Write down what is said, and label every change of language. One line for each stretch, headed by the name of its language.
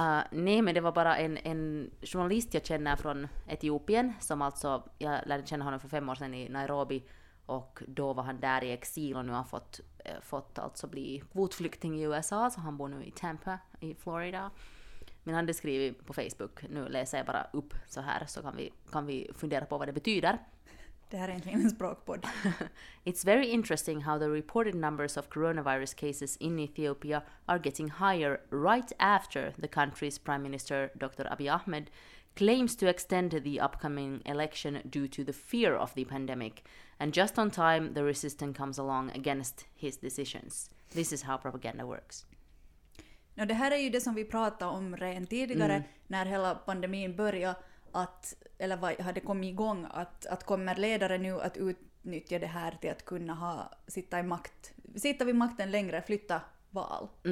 Swedish: Nej, men det var bara en journalist jag känner från Etiopien, som alltså, jag lärde känna honom för 5 år sedan i Nairobi, och då var han där i exil, och nu har fått alltså bli kvotflykting i USA, så han bor nu i Tampa i Florida. Men han hade skrivit på Facebook, nu läser jag bara upp så här, så kan vi fundera på vad det betyder. Det här är egentligen en språkpodd.
English: It's very interesting how the reported numbers of coronavirus cases in Ethiopia are getting higher right after the country's prime minister Dr. Abiy Ahmed claims to extend the upcoming election due to the fear of the pandemic. And just on time, the resistance comes along against his decisions. This is how propaganda works.
Swedish: No, det här är ju det som vi pratade om redan tidigare, när hela pandemin började, hade kommit igång, att kommer ledare nu att utnyttja det här till att kunna sitta vid makten längre, flytta val.